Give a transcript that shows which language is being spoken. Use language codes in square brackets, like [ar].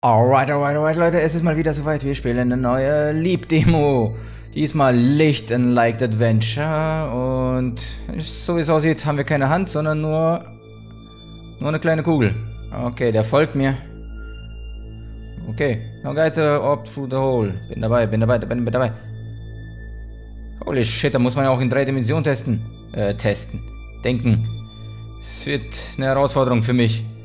[en] Alright, alright, alright, [de] Leute, es ist mal wieder soweit. Wir spielen eine neue Leap-Demo. Diesmal Licht and Light Adventure. Und so wie es aussieht, haben wir keine Hand, sondern nur eine kleine Kugel. Okay, der folgt mir. [en] Okay, now guide up through the hole. [de] Bin dabei. [en] Holy shit, [de] da muss man ja auch in drei Dimensionen denken. Es wird eine Herausforderung für mich.